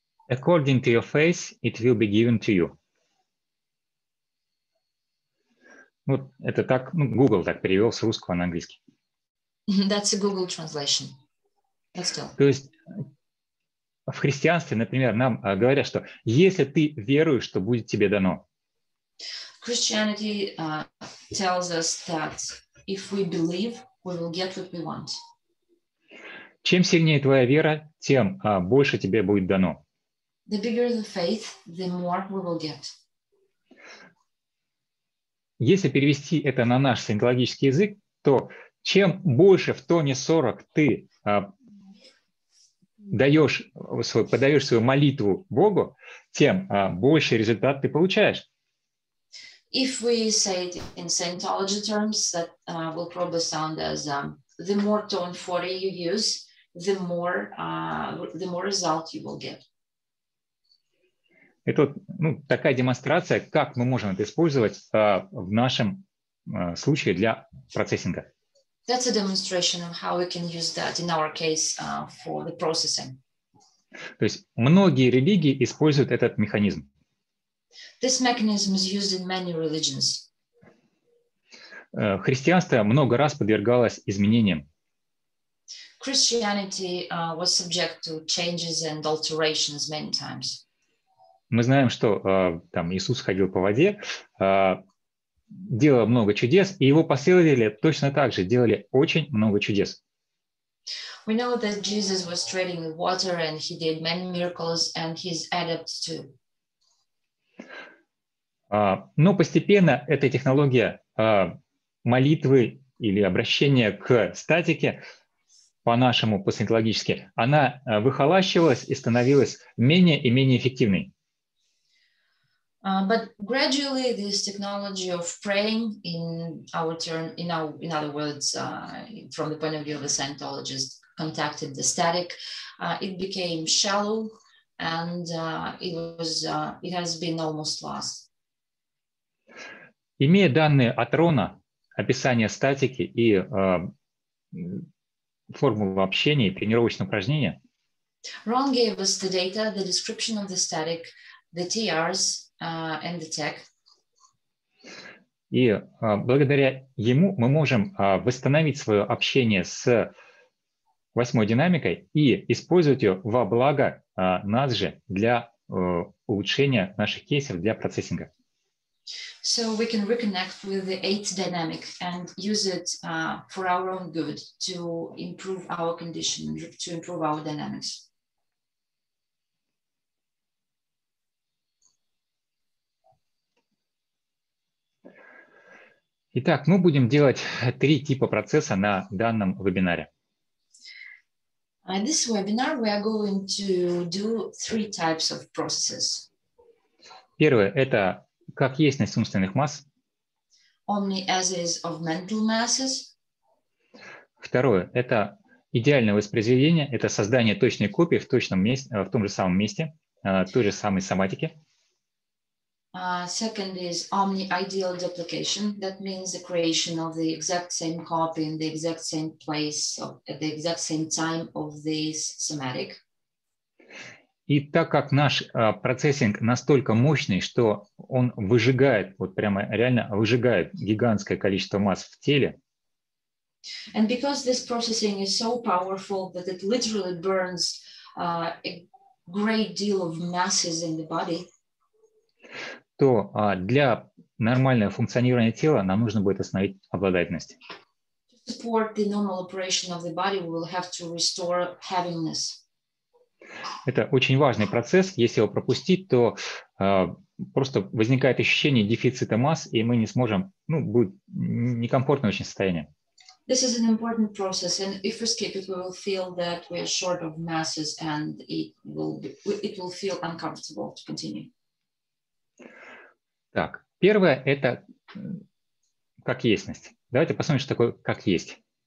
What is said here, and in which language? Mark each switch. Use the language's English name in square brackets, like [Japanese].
[English] According to your faith, it will be given to you. [Russian] Ну, это так, ну, Google так перевел с русского на английский. [English] That's a Google translation. That's still. [Russian] То есть в христианстве, например, нам говорят, что если ты веруешь, то будет тебе дано. [English] Christianity tells us that if we believe, we will get what we want. [Russian] Чем сильнее твоя вера, тем больше тебе будет дано. [English] The bigger the faith, the more we will get. [Russian] Если перевести это на наш саентологический язык, то чем больше в тоне 40 ты даешь свой, подаешь свою молитву Богу, тем больше результат ты получаешь. [English] If we say it in Scientology terms, that will probably sound as the more tone 40 you use, the more result you will get. [Russian] Это вот, ну, такая демонстрация, как мы можем это использовать в нашем случае для процессинга. [English] That's a demonstration of how we can use that in our case for the processing. [Russian] То есть многие религии используют этот механизм. [English] This mechanism is used in many religions. [Russian] Христианство много раз подвергалось изменениям. [English] Christianity was subject to changes and alterations many times. [Russian] Мы знаем, что там Иисус ходил по воде, делал много чудес, и его последователи точно так же делали очень много чудес. [English] We know that Jesus was treading with water and he did many miracles and his adepts too. [Russian] Но постепенно эта технология молитвы или обращения к статике, по-нашему, постсинтологически, она выхолащивалась и становилась менее и менее эффективной. [English] But gradually this technology of praying in our turn, in other words, from the point of view of a Scientologist, contacted the static, it became shallow and it has been almost lost. [Russian] Имея данные от Рона, описание статики и формулу общения и тренировочные упражнения. [English] Рон gave us the data, the description of the static, the TRs and the tech. [Russian] И благодаря ему мы можем восстановить свое общение с восьмой динамикой и использовать ее во благо нас же для улучшения наших кейсов для процессинга. [English] So we can reconnect with the eighth dynamic and use it for our own good to improve our condition, to improve our dynamics. [Russian] Итак, мы будем делать три типа процесса на данном вебинаре. [English] In this webinar, we are going to do three types of processes. [Russian] Первое – это как естьность умственных масс. [English] Only as is of mental masses. [Russian] Второе – это идеальное воспроизведение, это создание точной копии в точном месте, в том же самом месте, той же самой соматике. [English] Second is omni-ideal duplication. That means the creation of the exact same copy in the exact same place of, at the exact same time of this somatic. [Russian] И так как наш процессинг настолько мощный, что он выжигает, вот прямо реально выжигает гигантское количество масс в теле. [English] And because this processing is so powerful that it literally burns a great deal of masses in the body, [Russian] то для нормального функционирования тела нам нужно будет остановить обладательность. [English] To support the normal operation of the body, we will have to restore heaviness. [Russian] Это очень важный процесс. Если его пропустить, то просто возникает ощущение дефицита масс, и мы не сможем, ну, будет некомфортное очень состояние. [English] This is an important process, and if we skip it, we will feel that we are short of masses, and it will feel uncomfortable to continue. [Russian] Так, первое – это как естьность. Давайте посмотрим, что такое как есть.